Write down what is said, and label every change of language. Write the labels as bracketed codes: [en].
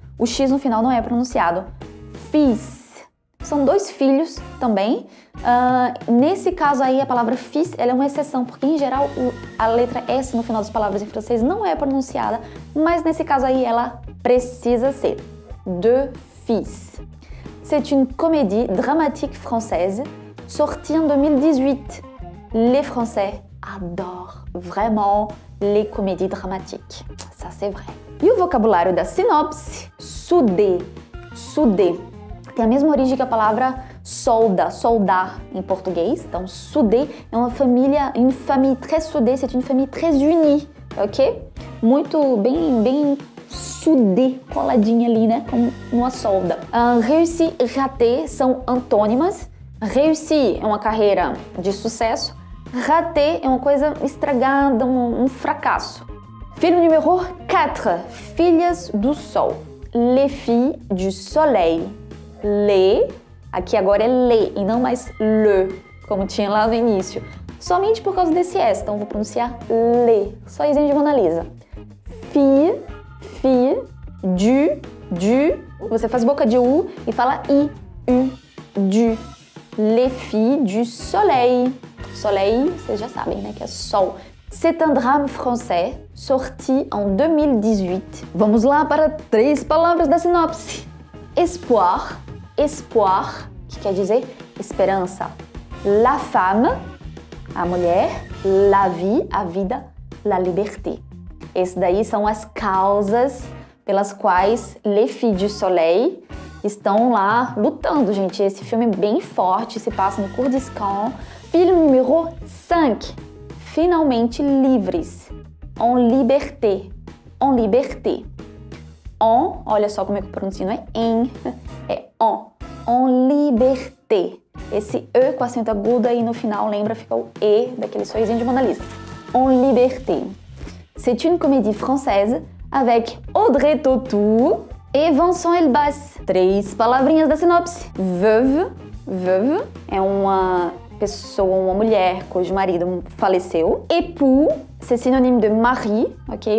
[pt] O X no final não é pronunciado. Fils. São dois filhos também. Nesse caso aí, a palavra fils, ela é uma exceção, porque em geral a letra S no final das palavras em francês não é pronunciada, mas nesse caso aí ela precisa ser. [fr] Deux fils. C'est une comédie dramatique française sortie en 2018. Les Français adorent vraiment les comédies dramatiques. Ça, c'est vrai. [pt] E o vocabulário da sinopse? Soudé. Soudé. Tem a mesma origem que a palavra solda, soldar em português. [fr] Então, soudé [pt] é uma família, [fr] une famille très soudée, c'est une famille très unie, ok? [pt] Muito bem, bem soudé, coladinha ali, né? Como uma solda. Réussir, raté são antônimas. Réussir é uma carreira de sucesso. Raté é uma coisa estragada, um fracasso. Filme número 4, Filhas do Sol. Les filles du soleil. Le, aqui agora é le e não mais le, como tinha lá no início. Somente por causa desse S, então vou pronunciar le. Só exemplo de Mona Lisa. Fille, fille, du, du, você faz boca de U e fala I, U, du. Les filles du soleil. Soleil, vocês já sabem, né, que é sol. [fr] C'est un drame français, sorti en 2018. [pt] Vamos lá para três palavras da sinopse. Espoir, espoir, que quer dizer esperança. La femme, a mulher. La vie, a vida. La liberté. Essas daí são as causas pelas quais Les filles du soleil estão lá lutando, gente. Esse filme bem forte, se passa no Kurdistan. Filme número 5. Finalmente livres. [fr] En liberté. En liberté. [pt] En, olha só como é que eu pronuncio, não é em. É en. En liberté. Esse E com acento agudo aí no final, lembra, fica o E daquele sorrisinho de Mona Lisa. [fr] En liberté. C'est une comédie française avec Audrey Tautou et Vincent Elbaz. [pt] Três palavrinhas da sinopse. Veuve. Veuve é uma pessoa, uma mulher cujo marido faleceu. [fr] Époux, c'est synonyme de mari, ok?